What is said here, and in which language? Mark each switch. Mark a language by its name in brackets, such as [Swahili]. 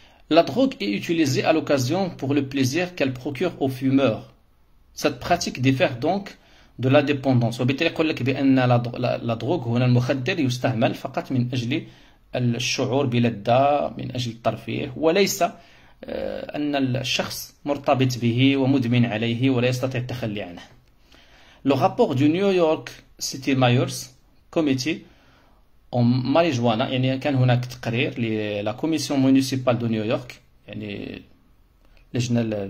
[French] La drogue est utilisée à l'occasion pour le plaisir qu'elle procure aux fumeurs. Cette pratique diffère donc de la dépendance. [Arabic] وبالتالي يقول لك بأن لا دروغ هنا المخدر يستعمل فقط من أجل الشعور بلذة من أجل الترفيه وليس أن الشخص مرتبط به ومدمن عليه ولا يستطيع التخلي عنه. [French] Le rapport du New York City Mayor's Committee on Marijuana، [Arabic] يعني كان هناك تقرير [French] للا كوميسيون مونيسيبال دو نيويورك، [Arabic] يعني لجنة